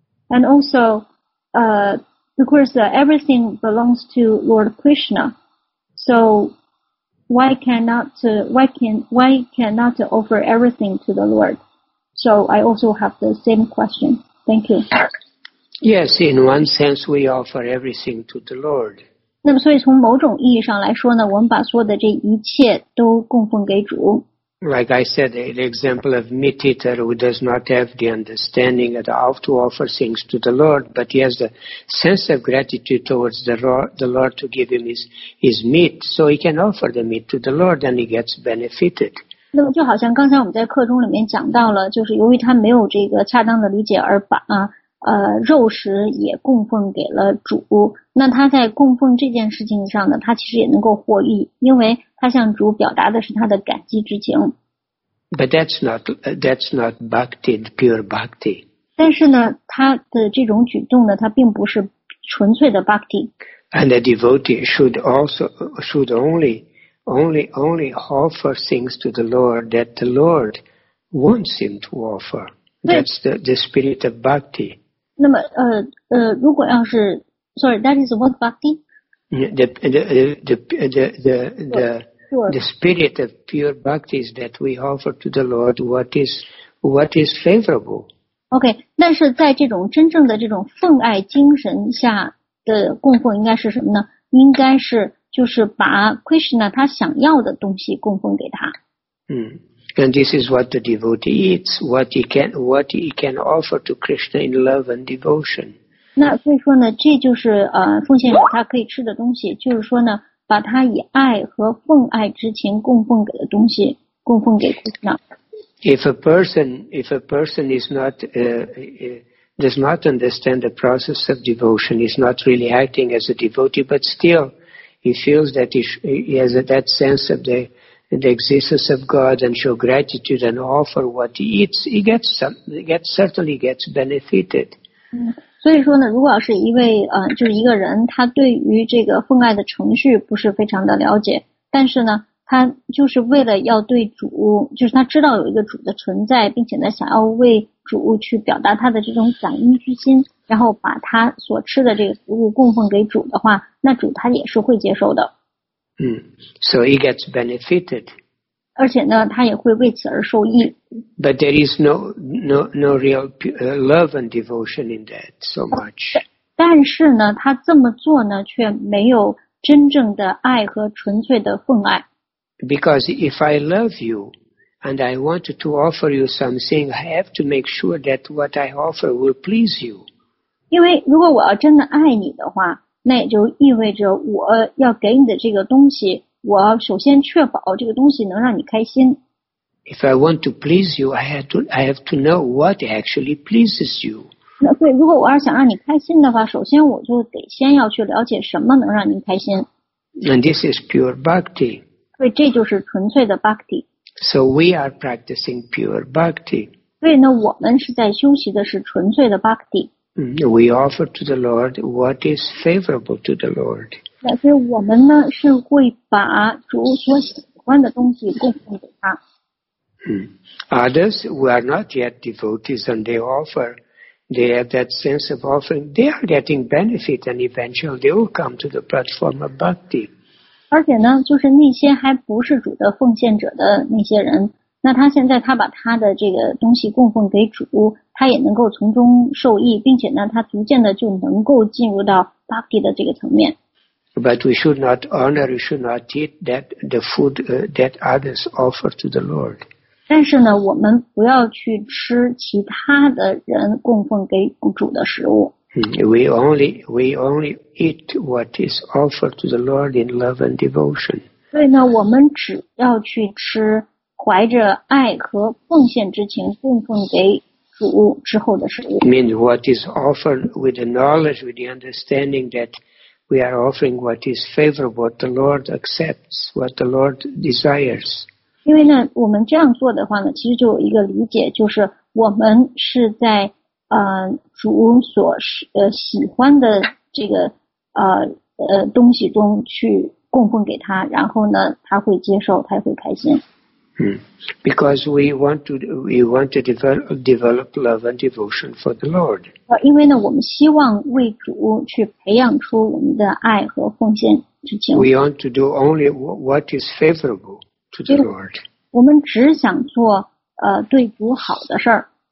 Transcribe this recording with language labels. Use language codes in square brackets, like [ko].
[en] And also, of course, everything belongs to Lord Krishna. So why cannot offer everything to the Lord? So I also have the same question. Thank you. Yes, in one sense, we offer everything to the Lord. [zh] 那么所以从某种意义上来说呢，我们把所有的这一切都供奉给主。 [en] Like I said, an example of meat eater who does not have the understanding that I have to offer things to the Lord, but he has the sense of gratitude towards the Lord to give him his meat, so he can offer the meat to the Lord and he gets benefited. [zh] 那么就好像刚才我们在课中里面讲到了，就是由于他没有这个恰当的理解而把肉食也供奉给了主，那他在供奉这件事情上呢，他其实也能够获益，因为他向主表达的是他的感激之情。 [en] But that's not bhakti, pure bhakti. [zh] 但是呢，他的这种举动呢，他并不是纯粹的 bhakti。 [en] And a devotee should only offer things to the Lord that the Lord wants him to offer. That's the spirit of bhakti. [zh] 那么如果要是 [en] sorry that is what bhakti the spirit of pure bhakti is that we offer to the Lord what is favorable [zh] OK， 那是在这种真正的这种奉爱精神下的供奉应该是什么呢？应该是就是把 Krishna 他想要的东西供奉给他。 [en] 嗯 ，And this is what the devotee eats, what he can offer to Krishna in love and devotion. [zh] 那所以说呢，这就是奉献者他可以吃的东西，就是说呢，把他以爱和奉爱之情供奉给的东西供奉给 Krishna。 [en] If a person is not does not understand the process of devotion, is not really acting as a devotee, but still he feels that he has that sense of the existence of God and show gratitude and offer what he eats, he gets some, certainly gets benefited. [zh] 所以说呢，如果是一位就是一个人，他对于这个奉爱的程序不是非常的了解，但是呢。他就是为了要对主，就是他知道有一个主的存在，并且呢，想要为主去表达他的这种感恩之心，然后把他所吃的这个食物供奉给主的话，那主他也是会接受的。 [en] So he gets benefited. [zh] 而且呢，他也会为此而受益。 [en] But there is no real love and devotion in that so much. [zh] 但是呢，他这么做呢，却没有真正的爱和纯粹的奉爱。 [en] Because if I love you and I want to offer you something, I have to make sure that what I offer will please you. [zh] 因为如果我要真的爱你的话，那也就意味着我要给你的这个东西，我首先确保这个东西能让你开心。 [en] If I want to please you, I have to know what actually pleases you. [zh] 那对，如果我要想让你开心的话，首先我就得先要去了解什么能让你开心。 [en] And this is pure bhakti. [zh] 所以这就是纯粹的 bhakti. [en] So we are practicing pure bhakti. [zh] 所以呢，我们是在修习的是纯粹的 bhakti. [en] We offer to the Lord what is favorable to the Lord. [zh] 所以我们呢是会把主所喜欢的东西供奉给他。 [en] Others who are not yet devotees and they offer, they have that sense of offering. They are getting benefit and eventually they will come to the platform of bhakti. [zh] 而且呢，就是那些还不是主的奉献者的那些人，那他现在他把他的这个东西供奉给主，他也能够从中受益，并且呢，他逐渐的就能够进入到 bhakti 的这个层面。 [en] But we should not honor, we should not eat that the food that others offer to the Lord. [zh] 但是呢，我们不要去吃其他的人供奉给主的食物。 [en] We only eat what is offered to the Lord in love and devotion. [zh] 所以呢，我们只要去吃怀着爱和奉献之情供奉给主之后的食物。 [en] Means what is offered with the knowledge, with the understanding that we are offering what is favorable, what the Lord accepts, what the Lord desires. [zh] 因为呢，我们这样做的话呢，其实就有一个理解，就是我们是在。主所喜欢的这个东西中去供奉给他，然后呢，他会接受，他会开心。 [en] Because we want to develop love and devotion for the Lord. [zh] 因为呢，我们希望为主去培养出我们的爱和奉献之情。 [en] We want to do only what is favorable to the Lord. [zh] 我们只想做对主好的事儿。